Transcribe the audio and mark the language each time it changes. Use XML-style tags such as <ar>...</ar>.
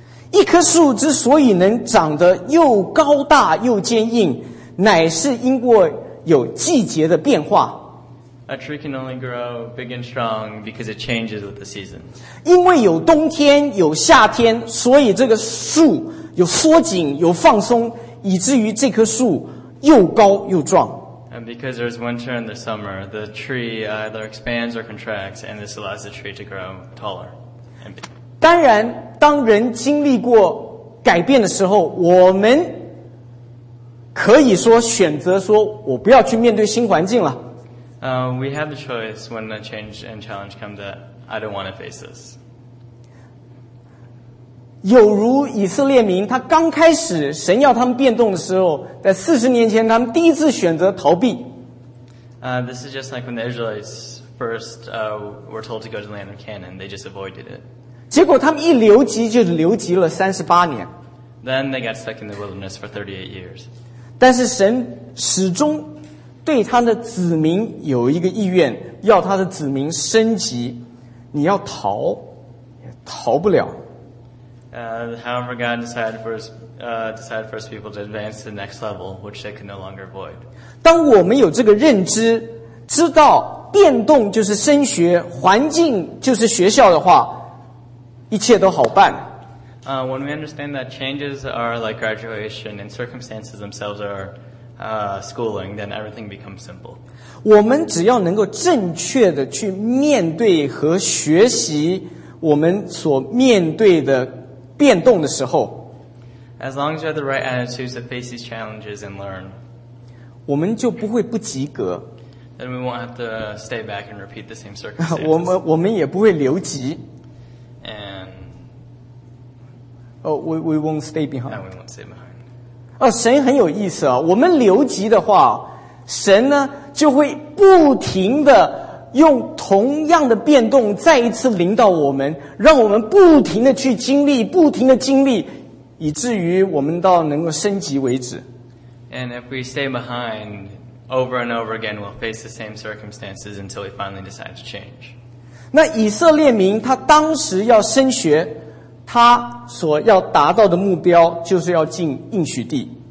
<zh>一棵树之所以能长得又高大又坚硬，乃是因过有季节的变化。</zh> <en>A tree can only grow big and strong because it changes with the seasons.</en> <zh>因为有冬天，有夏天，所以这个树有缩紧，有放松，以至于这棵树又高又壮。</zh> <en>And because there's winter and the summer, the tree either expands or contracts, and this allows the tree to grow taller.</en> <zh>当然，当人经历过改变的时候，我们可以说选择说，我不要去面对新环境了。</zh> <en>We have the choice when a change and challenge comes that I don't want to face this.</en> <zh>有如以色列民，他刚开始神要他们变动的时候，在40年前他们第一次选择逃避。</zh> <en>This is just like when the Israelites first were told to go to the land of Canaan, they just avoided it.</en> <zh>结果他们一留级就留级了38年。</zh> <en>Then they got stuck in the wilderness for 38 years.</en> <zh>但是神始终对他的子民有一个意愿，要他的子民升级，你要逃，也逃不了。</zh> <en>However, God decided for his people to advance to the next level, which they could no longer avoid.</en> <zh>当我们有这个认知，知道变动就是升学，环境就是学校的话，一切都好办。</zh> <en>When we understand that changes are like graduation and circumstances themselves are schooling, then everything becomes simple.</en> <zh>我们只要能够正确的去面对和学习我们所面对的变动的时候，</zh> <en>as long as you have the right attitudes to face these challenges and learn,</en> <zh>我们就不会不及格。</zh> <en>Then we won't have to stay back and repeat the same circumstances.</en> <zh>我们也不会留级。</zh> <en>And we won't stay behind. And we won't stay behind.</en> <zh>神很有意思啊！我们留级的话，神呢就会不停的用同样的变动再一次临到我们，让我们不停的去经历，不停的经历，以至于我们到能够升级为止。</zh> <en>And if we stay behind over and over again, we'll face the same circumstances until we finally decide to change.</en> <zh>那以色列民他当时要升学。他所要达到的目标就是要进应许地。</zh>